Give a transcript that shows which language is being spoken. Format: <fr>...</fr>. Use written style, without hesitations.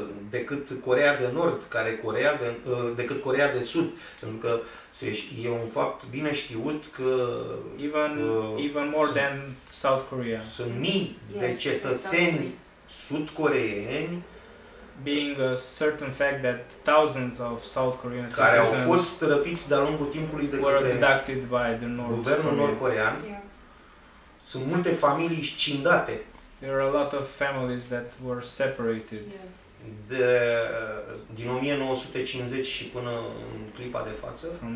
<ro>Decât Coreea de Nord, care Coreea de decât Coreea de Sud, pentru că e un fapt bine știut că</ro> <en>even more than South Korea.</en> <ro>Sunt mii de cetățeni sud-coreeni.</ro> <en>Being a certain fact that thousands of South Koreans</en> <ro>care au fost răpiți de-a lungul timpului de</ro> <en>were abducted by the North</en> <ro>guvernul nord-corean.</ro> <en>Yeah.</en> <ro>Sunt multe familii scindate.</ro> <en>There are a lot of families that were separated. Yeah.</en> <ro>Din 1950 și până în clipa de față.</ro>